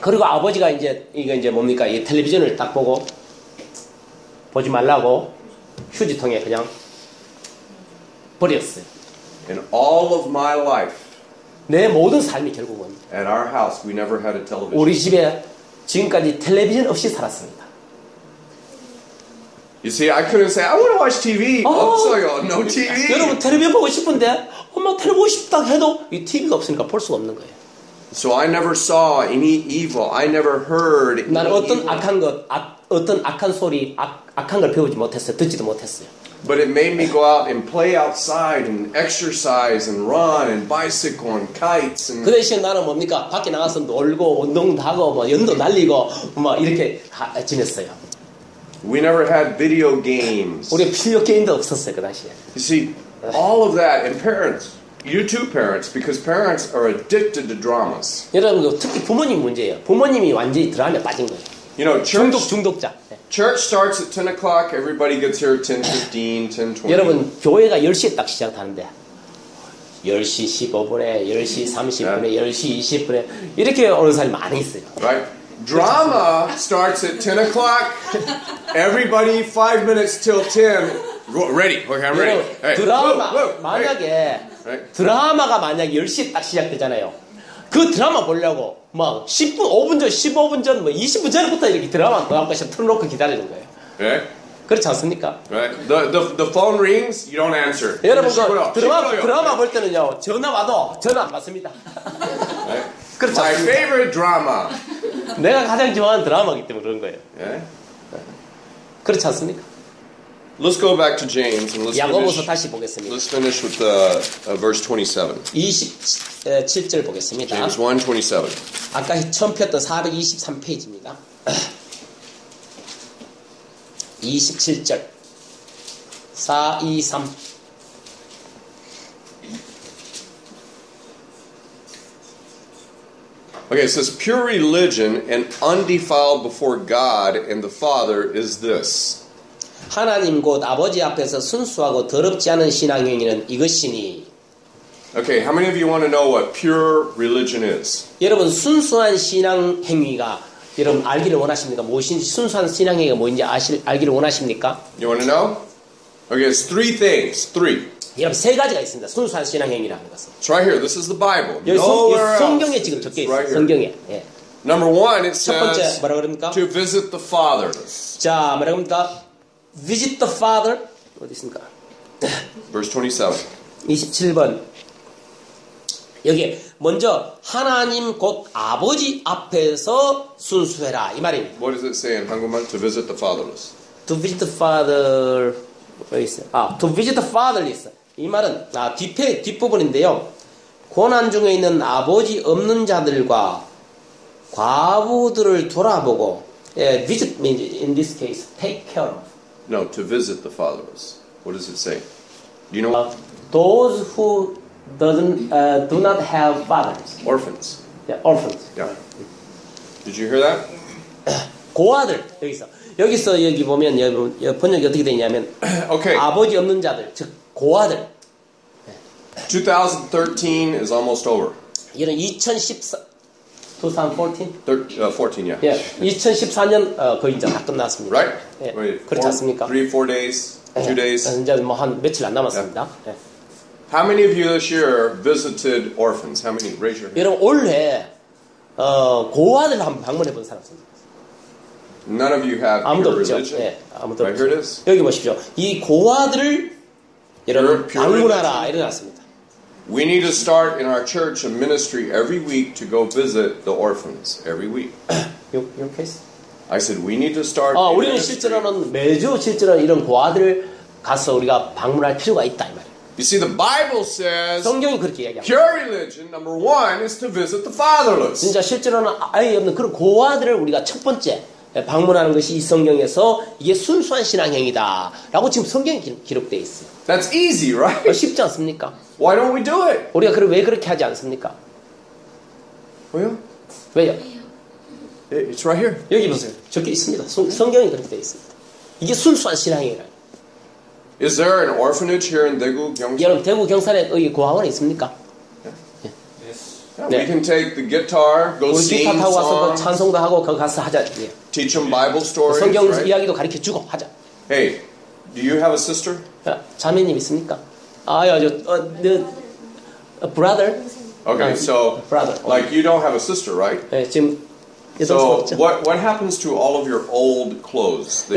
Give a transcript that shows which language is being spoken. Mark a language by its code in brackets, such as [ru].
[ko] 그리고 아버지가 이제 이거 이제 뭡니까 이 텔레비전을 딱 보고 보지 말라고 휴지통에 그냥 버렸어요. [en] In all of my life. [ko] 내 모든 삶이 결국은 [en] At our house, we never had a television. [ko] 우리 집에 지금까지 텔레비전 없이 살았습니다. [en] You see, I couldn't say, I want to watch TV. [ko] 없어요, [en] no TV. [ko] 여러분, 텔레비전 보고 싶은데 엄마 텔레비전 보고 싶다 해도 이 TV가 없으니까 볼 수가 없는 거예요. [en] So I never saw any evil. I never heard any evil. [ko] 난 어떤 악한 것, 어떤 악한 소리, 악한 걸 배우지 못했어요, 듣지도 못했어요. [en] But it made me go out and play outside and exercise and run and bicycle and kites and [ko] 그 대신 나는 뭡니까? 밖에 나가서 놀고 운동도 하고 뭐 연도 날리고 막 이렇게 지냈어요. [en] We never had video games. [ko] 우리 필요 게임도 없었어요, 그 당시에. [en] You see, all of that and parents, you too parents because parents are addicted to dramas. [ko] 여러분도 특히 부모님 문제예요. 부모님이 완전히 드라마에 빠진 거예요. [en] You know, church, [ko] 중독자. [en] Church starts at 10 o'clock. Everybody gets here at 10:15, 10:20. [ko] 여러분 교회가 10시에 딱 시작하는데 10시 15분에 10시 30분에 yeah. 10시 20분에 이렇게 오는 사람이 많이 있어요. [en] Right? Drama starts at 10 o'clock. Everybody 5 minutes till 10. Ready? Okay, I'm ready. [ko] 드라마 만약에 드라마가 만약 10시에 딱 시작되잖아요. 그 드라마 보려고 막 10분, 5분 전, 15분 전, 뭐 20분 전부터 이렇게 드라마 보고 싶어 틀어놓고 기다리는 거예요. 네. [en] Right. [ko] 그렇지 않습니까? [en] Right. The phone rings, you don't answer. [ko] 여러분 드라마 볼 때는요 전화 와도 전화 안 받습니다. [en] Right. [ko] 그렇지 않습니까? [en] My favorite drama. [ko] 내가 가장 좋아하는 드라마이기 때문에 그런 거예요. 네. 그렇지 않습니까? [en] Let's go back to James and let's [ko] 야고보서 [en] finish, [ko] 다시 보겠습니다. [en] Let's finish with the verse 27. [ko] 27절 보겠습니다. [en] James 1:27. [ko] 아까 처음 폈던 423페이지입니다. 27절. 423. [en] 오케이, okay, it says pure religion and undefiled before God and the Father is this. [ko] 하나님 곧 아버지 앞에서 순수하고 더럽지 않은 신앙 행위는 이것이니. [en] Okay, how many of you want to know what pure religion is? [ko] 여러분 순수한 신앙 행위가 여러분 알기를 원하십니까? 무엇인지 순수한 신앙 행위가 뭔지 알기를 원하십니까? [en] You want to know? Okay, it's three things. Three. [ko] 여러분 세 가지가 있습니다. 순수한 신앙 행위라는 것은. [en] It's right here. This is the Bible. [ko] 성경에 지금 적혀 있어요. 성경에. 예. [en] Number one, it says [ko] 첫 번째 뭐라 그럽니까? [en] To visit the Father. [ko] 자, 뭐라 그럽니까? [en] Visit the Father. [ko] 어디 있습니까? [en] Verse [ko] 27번. 여기 먼저 하나님 곧 아버지 앞에서 순수해라 이 말이. [en] What does it say in 한국말? To visit the fatherless. To visit the father. [ko] 어디 있어? [en] 아, to visit the fatherless. [ko] 이 말은 뒷부분인데요. 고난 중에 있는 아버지 없는 자들과 과부들을 돌아보고. [en] Visit means in this case take care of. No, to visit the fatherless. What does it say? Do you know? Those who do not have fathers. Orphans. Yeah, orphans. Yeah. Did you hear that? [ko] 고아들 여기 보면 여기 번역이 어떻게 되냐면 [en] okay. [ko] 아버지 없는 자들 즉 고아들. [en] 2013 is almost over. [ko] 이런 2014 [en] 2014? 14, yeah. [ko] 2014년 거의 이제 다 끝났습니다. [en] Right? [ko] 예. 그렇지 않습니까? [en] 3, 4 days, 2 days. [ko] 이제 뭐 한 며칠 안 남았습니다. [en] Yeah. How many of you this year visited orphans? How many? Raise your hand. [ko] 여러분 올해 고아들 한번 방문해 본 사람 있습니까? [en] None of you have pure religion. [ko] 아무도 없죠. 예. 아무도 [en] right, [ko] 없죠. [en] Here it is. [ko] 여기 보십시오. 이 고아들을 여러분 방문하라 이러셨습니다. [en] We need to start in our church a ministry every week to go visit the orphans every week. Your case? I said we need to start. [ko] 우리는 실제로는 매주 실제로 이런 고아들을 가서 우리가 방문할 필요가 있다 이 말이에요. [en] You see, the Bible says [ko] 성경이 그렇게 얘기합니다. [en] Pure religion number one is to visit the fatherless. [ko] 진짜 실제로는 아예 없는 그런 고아들을 우리가 첫 번째 방문하는 것이 이 성경에서 이게 순수한 신앙행위다라고 지금 성경에 기록돼 있어요. [en] That's easy, right? [ko] 쉽지 않습니까? [en] Why don't we do it? [ko] 우리가 그럼 왜 그렇게 하지 않습니까? 왜요? 왜요? [en] It's right here. [ko] 여기 보세요. 적혀 있습니다. 성경에 그렇게 있습니다. 이게 순수한 신앙이라. [en] Is there an orphanage here in 대구 경산? [ko] 여러분 대구 경산에 여기 고아원 있습니까? [en] Yeah. Yeah, we can take the guitar, go sing songs. [ko] 우리 기타 타고 와서 찬송도 하고 거기 가서 하자. [en] Teach them Bible stories. [ko] 성경 이야기도 가르쳐 주고 하자. [en] Hey, do you have a sister? [ko] 자매님 있습니까? 아야, 저 [en] the brother. Okay, so brother. Like you don't have a sister, right? [ko] 네, 지금. [en] So what happens to all of your old clothes that